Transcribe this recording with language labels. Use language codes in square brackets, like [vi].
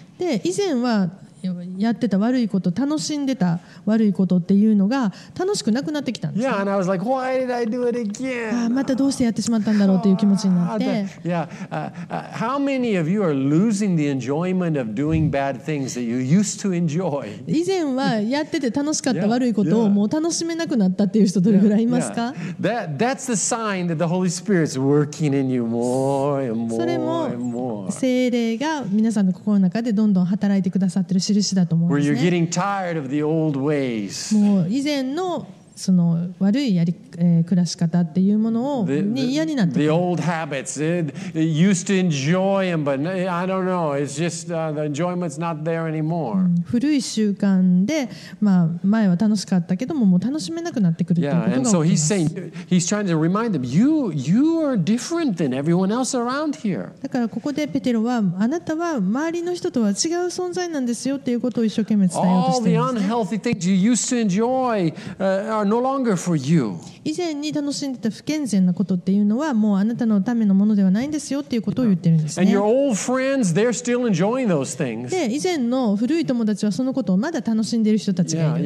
[ja] で、以前はやってた悪いこと、楽しんでた悪いことっていうのが楽しくなくなってきたんですね。 [en] Yeah, and I was like, why did I do it again? [ja] またどうしてやってしまったんだろうという気持ちになって。 [en] How many of you are losing the enjoyment of doing bad things that you used to enjoy? [ja] 以前はやってて楽しかった悪いことをもう楽しめなくなったっていう人どれぐらいいますか？ [en] That's the sign that the Holy Spirit is working in you more and more. [ja] それも聖霊が皆さんの心の中でどんどん働いてくださってる印だと思うんですね。 [en] Where you're getting tired of the old ways. [ja] もう以前のその悪いやり、暮らし方っていうものをに嫌になった。 [en] The old habits, it used to enjoy them, but I don't know. It's just the enjoyment's not there anymore. [ja] 古い習慣で、まあ前は楽しかったけども、もう楽しめなくなってくるということが起きます。 [en] Yeah, and so he's saying, he's trying to remind them, you are different than everyone else around here. [ja] だからここでペテロは、あなたは周りの人とは違う存在なんですよっていうことを一生懸命伝えようとしています。 [en] All the unhealthy things you used to enjoy, are no longer for you. [ja] 以前に楽しんでた不健全なことっていうのはもうあなたのためのものではないんですよっていうことを言ってるんですね。 [en] And your old friends, they're still enjoying those things. [ja] で、以前の古い友達はそのことをまだ楽しんでる人たちがいる。